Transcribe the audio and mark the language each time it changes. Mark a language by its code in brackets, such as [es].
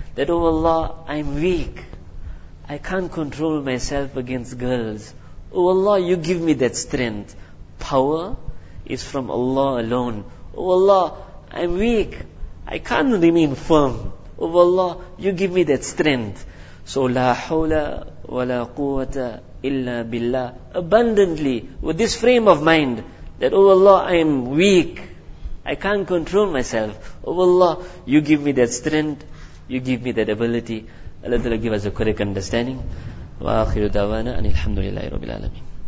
[en] That, oh Allah, I'm weak. I can't control myself against girls. Oh Allah, you give me that strength. Power is from Allah alone. Oh Allah, I'm weak. I can't remain firm. Oh Allah, you give me that strength. So, [ar] لا حول ولا قوة إلا بالله. [en] Abundantly, with this frame of mind, that, oh Allah, I am weak. I can't control myself. Oh Allah, you give me that strength. You give me that ability. Allah Ta'ala give us a correct understanding. [ar] وآخر دعوانا أن الحمد لله رب العالمين.